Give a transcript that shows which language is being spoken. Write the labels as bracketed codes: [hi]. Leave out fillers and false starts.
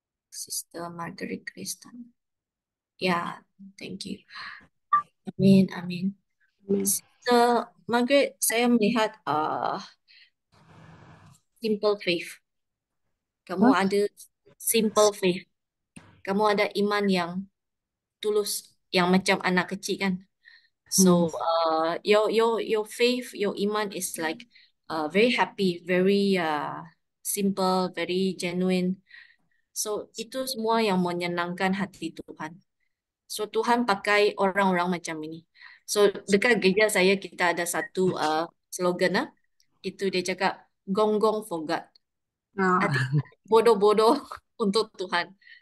[ms] Sister Margaret Kristen. Ya, [en] thank you. [ms] Amin, amin. Amin. Sister Margaret, saya melihat simple faith. Kamu [en] What? [ms] ada simple faith. Kamu ada iman yang tulus, yang macam anak kecil kan? [en] So, your faith, your iman is like very happy, very simple, very genuine. [ms] So, itu semua yang menyenangkan hati Tuhan. So, Tuhan pakai orang-orang macam ini. So, dekat gereja saya, kita ada satu slogan. Itu dia cakap, [en] gonggong for God. [ms] Hati bodoh-bodoh untuk Tuhan.